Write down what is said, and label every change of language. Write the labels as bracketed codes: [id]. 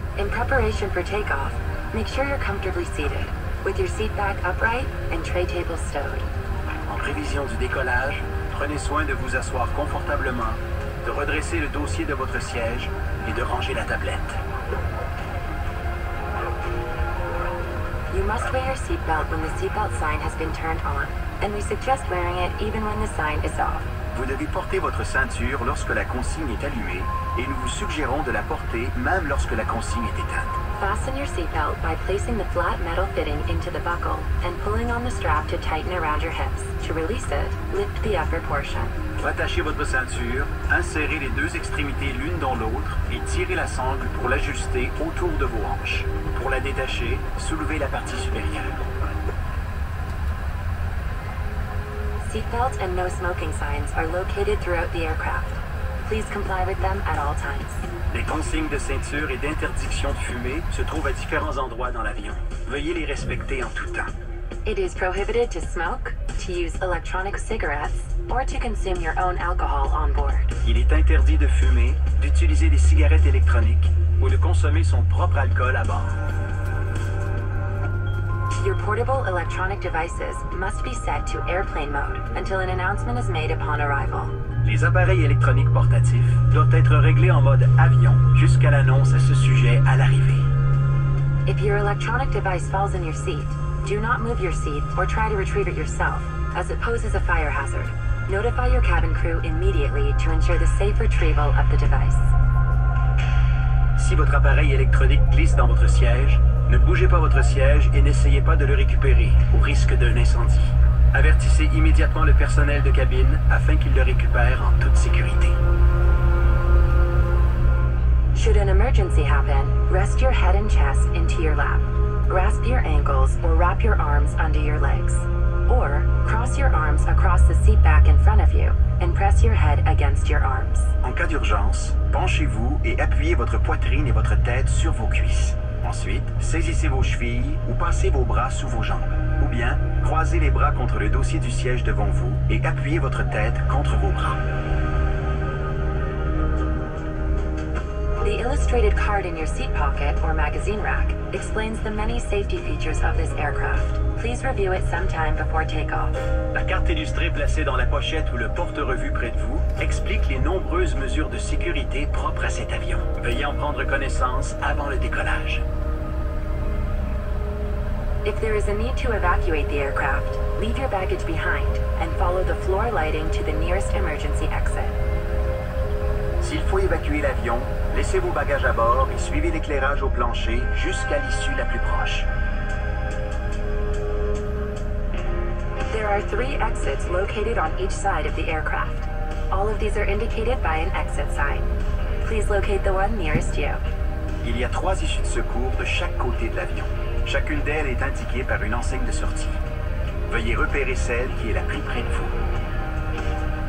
[en] preparation for takeoff, make sure you're comfortably seated, with your seat back upright and tray tables stowed. [fr] En prévision du décollage, prenez soin de vous asseoir confortablement, de redresser le dossier de votre siège et de ranger la tablette. [en] You must wear your seatbelt when the seatbelt sign has been turned on, and we suggest wearing it even when the sign is off. [fr] Vous devez porter votre ceinture lorsque la consigne est allumée, et nous vous suggérons de la porter même lorsque la consigne est éteinte. [en] Fasten your seatbelt by placing the flat metal fitting into the buckle and pulling on the strap to tighten around your hips. To release it, lift the upper portion. [fr] Rattachez votre ceinture, insérez les deux extrémités l'une dans l'autre et tirez la sangle pour l'ajuster autour de vos hanches. Pour la détacher, soulevez la partie supérieure. [en] Seatbelt and no smoking signs are located throughout the aircraft. Please comply with them at all times. [fr] Les consignes de ceinture et d'interdiction de fumer se trouvent à différents endroits dans l'avion. Veuillez les respecter en tout temps. [en] It is prohibited to smoke, to use electronic cigarettes, or to consume your own alcohol on board. [fr] Il est interdit de fumer, d'utiliser des cigarettes électroniques, ou de consommer son propre alcool à bord. [en] Your portable electronic devices must be set to airplane mode until an announcement is made upon arrival. [fr] Les appareils électroniques portatifs doivent être réglés en mode avion jusqu'à l'annonce à ce sujet à l'arrivée. [en] If your electronic device falls in your seat, do not move your seat or try to retrieve it yourself, as it poses a fire hazard. Notify your cabin crew immediately to ensure the safe retrieval of the device. [fr] Si votre appareil électronique glisse dans votre siège, ne bougez pas votre siège et n'essayez pas de le récupérer au risque d'un incendie. Avertissez immédiatement le personnel de cabine afin qu'il le récupère en toute sécurité. [en] Should an emergency happen, rest your head and chest into your lap. Grasp your ankles or wrap your arms under your legs. Or cross your arms across the seat back in front of you and press your head against your arms. [fr] En cas d'urgence, penchez-vous et appuyez votre poitrine et votre tête sur vos cuisses. Ensuite, saisissez vos chevilles ou passez vos bras sous vos jambes. Ou bien, croisez les bras contre le dossier du siège devant vous et appuyez votre tête contre vos bras. [en] The illustrated card in your seat pocket or magazine rack explains the many safety features of this aircraft. Please review it sometime before takeoff. [fr] La carte illustrée placée dans la pochette ou le porte-revue près de vous explique les nombreuses mesures de sécurité propres à cet avion. Veuillez en prendre connaissance avant le décollage. [en] If there is a need to evacuate the aircraft, leave your baggage behind and follow the floor lighting to the nearest emergency exit. [fr] S'il faut évacuer l'avion, laissez vos bagages à bord et suivez l'éclairage au plancher jusqu'à l'issue la plus proche. [en] There are three exits located on each side of the aircraft. All of these are indicated by an exit sign. Please locate the one nearest you. [fr] Il y a trois issues de secours de chaque côté de l'avion. Chacune d'elles est indiquée par une enseigne de sortie. Veuillez repérer celle qui est la plus près de vous.